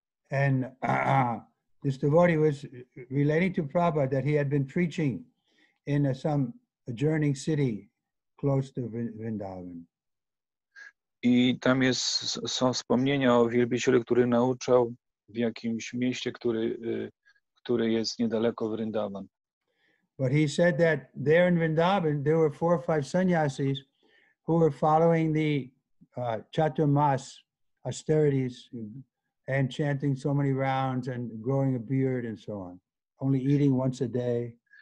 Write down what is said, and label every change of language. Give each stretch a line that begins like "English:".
English: And this devotee was relating to Prabhupada that he had been preaching in some adjoining city close to Vrindavan.
Polish: I tam są wspomnienia o wielbiciele, który nauczał w jakimś mieście, który jest niedaleko Vrindavan.
English: But he said that there in Vrindavan there were four or five sannyasis who were following the Chaturmas austerities and chanting so many rounds and growing a beard and so on, only eating once a day.